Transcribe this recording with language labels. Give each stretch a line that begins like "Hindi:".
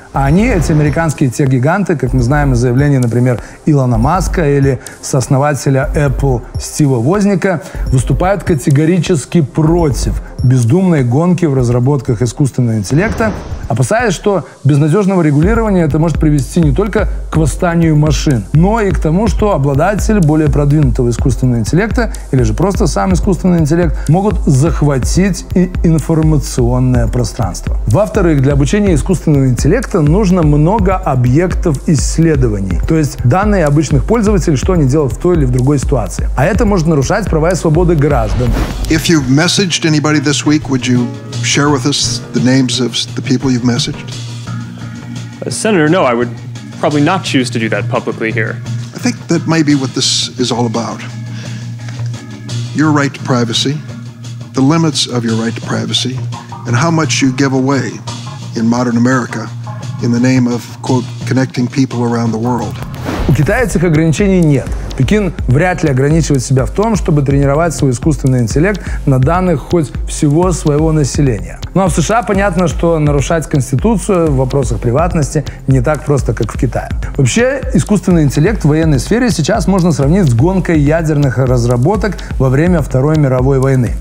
Russian: А они, эти американские тех-гиганты, как мы знаем из заявлений, например, Илона Маска или сооснователя Apple Стива Возника, выступают категорически против бездумной гонки в разработках искусственного интеллекта, опасаясь, что без надежного регулирования это может привести не только к восстанию машин, но и к тому, что обладатель более продвинутого искусственного интеллекта или же просто сам искусственный интеллект могут захватить и информационное пространство. Во-вторых, для обучения искусственного интеллекта нужно много объектов исследований, то есть данные обычных пользователей, что они делают в той или в другой ситуации. А это может нарушать права и свободы граждан.
English: If you messaged anybody this week, would you share with us the names of the people you've messaged? Senator, no, I would probably not choose to do that publicly here. I think that may be what this is all about. Your right to privacy, the limits of your right to privacy, and how much you give away in modern America in the name of, quote, connecting people around the world.
Russian: У китайцев ограничений нет. Пекин вряд ли ограничивает себя в том, чтобы тренировать свой искусственный интеллект на данных хоть всего своего населения. Ну а в США понятно, что нарушать конституцию в вопросах приватности не так просто, как в Китае. Вообще, искусственный интеллект в военной сфере сейчас можно сравнить с гонкой ядерных разработок во время Второй мировой войны.